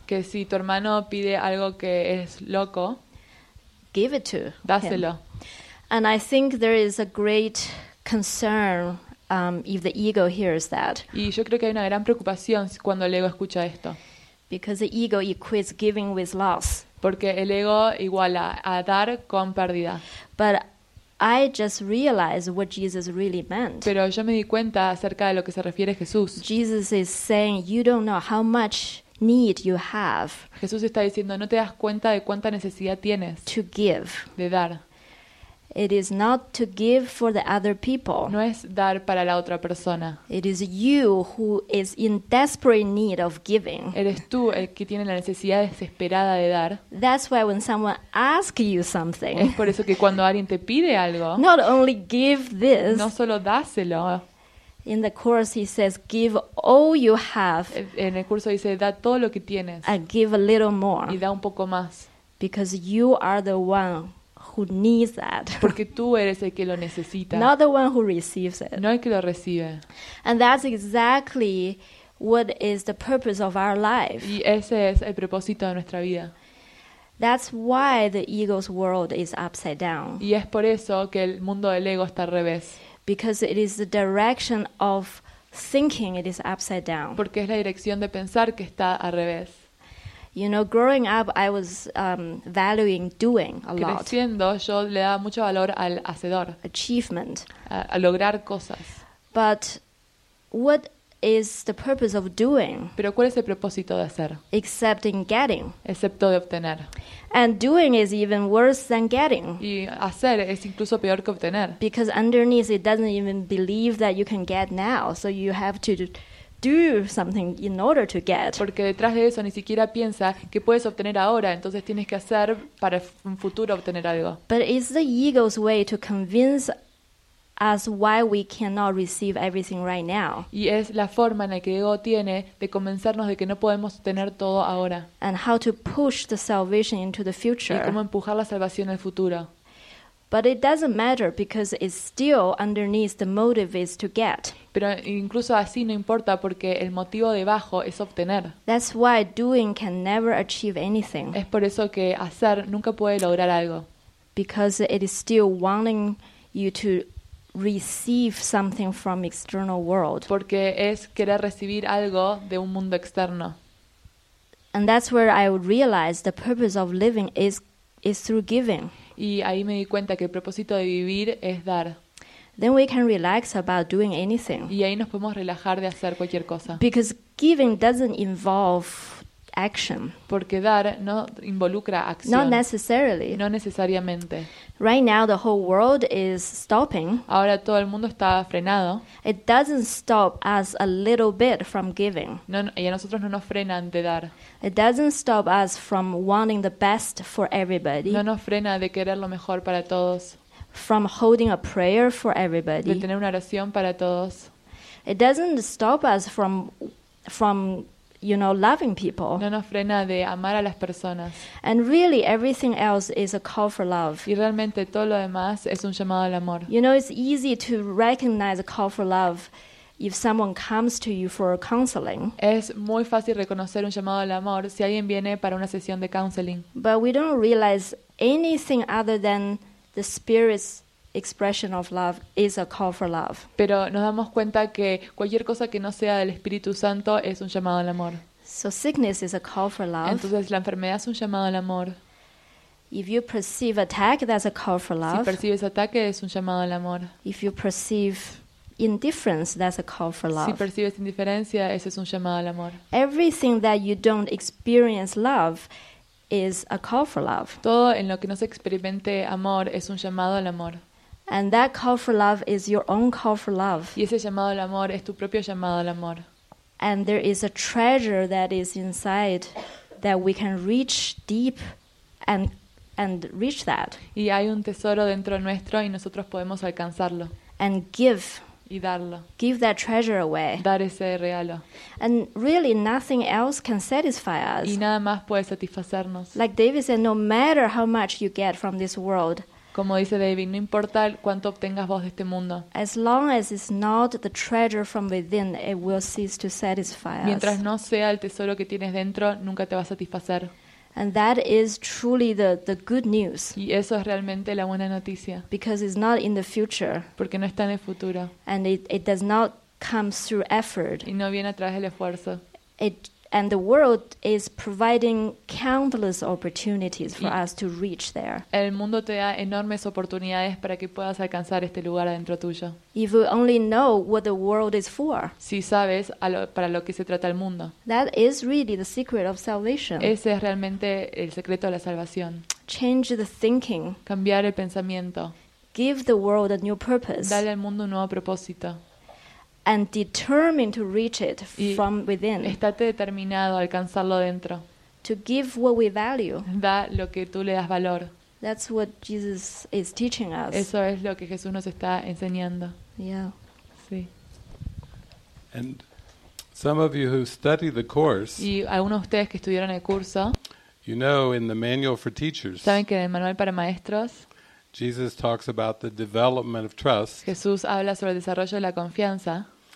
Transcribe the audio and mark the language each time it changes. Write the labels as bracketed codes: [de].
[es] Que si tu hermano pide algo que es loco. [en] Give it to. [es] Dáselo. [en] Him. And I think there is a great concern. If the ego hears that. [es] Y yo creo que hay una gran preocupación cuando el ego escucha esto. [en] Because the ego equates giving with loss. [es] Porque el ego iguala a dar con pérdida. [en] But I just realized what Jesus really meant. [es] Pero yo me di cuenta acerca de lo que se refiere Jesús. [en] Jesus is saying you don't know how much need you have. [es] Jesús está diciendo no te das cuenta de cuánta necesidad tienes. [en] To give. [es] De dar. [en] It is not to give for the other people. [es] No es dar para la otra persona. [en] It is you who is in desperate need of giving. [es] Eres tú el que tiene la necesidad desesperada de dar. [en] That's why when someone asks you something. [es] Es por eso que cuando alguien te pide algo. [en] Not only give this. [es] No solo dáselo. [en] In the course he says give all you have. [es] En el curso dice da todo lo que tienes. [en] And give a little more. [es] Y da un poco más. [en] Because you are the one. Who needs that? [es] Porque tú eres el que lo necesita. [en] Not the one who receives it. [es] No el que lo recibe. [en] And that's exactly what is the purpose of our life. [es] Y ese es el propósito de nuestra vida. [en] That's why the ego's world is upside down. [es] Y es por eso que el mundo del ego está al revés. [en] Because it is the direction of thinking it is upside down. [es] Porque es la dirección de pensar que está al revés. [en] You know, growing up, I was valuing doing a lot. [es] Creciendo, yo le daba mucho valor al hacedor. [en] Achievement. [es] A lograr cosas. [en] But what is the purpose of doing? [es] Pero ¿cuál es el propósito de hacer? [en] Except in getting. [es] Excepto de obtener. [en] And doing is even worse than getting. [es] Y hacer es incluso peor que obtener. [en] Because underneath, it doesn't even believe that you can get now, so you have to do something in order to get. [es] Porque detrás de eso ni siquiera piensa que puedes obtener ahora, entonces tienes que hacer para un futuro obtener algo. [en] But it's the ego's way to convince us why we cannot receive everything right now. [es] Y es la forma en la que ego tiene de convencernos de que no podemos tener todo ahora. [en] And how to push the salvation into the future. [es] Y cómo empujar la salvación al futuro. [en] But it doesn't matter because it's still underneath the motive is to get. [es] Pero incluso así no importa porque el motivo debajo es obtener. [en] That's why doing can never achieve anything. [es] Es por eso que hacer nunca puede lograr algo. [en] Because it is still wanting you to receive something from external world. [es] Porque es querer recibir algo de un mundo externo. [en] And that's where I realized the purpose of living is through giving. [es] Y ahí me di cuenta que el propósito de vivir es dar. [en] Then we can relax about doing anything. [es] Y ahí nos podemos relajar de hacer cualquier cosa. [en] Because giving doesn't involve action. [es] Porque dar no involucra acción. [en] Not necessarily. [es] No necesariamente. [en] Right now the whole world is stopping. [es] Ahora todo el mundo está frenado. [en] It doesn't stop us a little bit from giving. [es] No, y a nosotros no nos frenan de dar. [en] It doesn't stop us from wanting the best for everybody. [es] No nos frena de querer lo mejor para todos. [en] From holding a prayer for everybody. [es] De tener una oración para todos. [en] It doesn't stop us from you know, loving people. [es] No nos frena de amar a las personas. [en] And really, everything else is a call for love. [es] Y realmente todo lo demás es un llamado al amor. [en] You know, it's easy to recognize a call for love if someone comes to you for counseling. [es] Es muy fácil reconocer un llamado al amor si alguien viene para una sesión de counseling. [en] But we don't realize anything other than the spirit's expression of love is a call for love. [es] Pero nos damos cuenta que cualquier cosa que no sea del Espíritu Santo es un llamado al amor. [en] So sickness is a call for love. [es] Entonces la enfermedad es un llamado al amor. [en] If you perceive attack, that's a call for love. [es] Si percibes ataque, es un llamado al amor. [en] If you perceive indifference, that's a call for love. [es] Si percibes indiferencia, ese es un llamado al amor. [en] Everything that you don't experience love is a call for love. [es] Todo en lo que no se experimente amor es un llamado al amor. [en] And that call for love is your own call for love. [es] Y ese llamado al amor es tu propio llamado al amor. [en] And there is a treasure that is inside that we can reach deep and reach that. [es] Y hay un tesoro dentro nuestro y nosotros podemos alcanzarlo. [en] And give. [es] Y darlo. [en] Give that treasure away. [es] Dar ese regalo. [en] And really nothing else can satisfy us. [es] Y nada más puede satisfacernos. [en] Like David said, no matter how much you get from this world. [es] Como dice David, no importa cuánto obtengas vos de este mundo. [en] As long as it's not the treasure from within, it will cease to satisfy us. [es] Mientras no sea el tesoro que tienes dentro, nunca te va a satisfacer. [en] And that is truly the good news. [es] Y eso es realmente la buena noticia. [en] Because it's not in the future. [es] Porque no está en el futuro. [en] And it does not come through effort. [es] Y no viene a través del esfuerzo. [en] And the world is providing countless opportunities for us to reach there. [es] El mundo te da enormes oportunidades para que puedas alcanzar este lugar adentro tuyo. [en] If we only know what the world is for. [es] Si sabes para lo que se trata el mundo. [en] That is really the secret of salvation. [es] Ese es realmente el secreto de la salvación. [en] Change the thinking. [es] Cambiar el pensamiento. [en] Give the world a new purpose. [es] Dale al mundo un nuevo propósito. [en] And determined to reach it from within. [es] Estate determinado a alcanzarlo dentro. [en] To give what we value. [es] Da lo que tú le das valor. [en] That's what Jesus is teaching us. [es] Eso es lo que Jesús nos está enseñando. [en] Yeah. [es] Sí. [en] And some of you who study the course. [es] Y algunos de ustedes que estudiaron el curso. [en] You know, in the manual for teachers. [es] Saben que en el manual para maestros. [en] Jesus talks about the development of trust. [es] Jesús habla sobre el desarrollo de la confianza.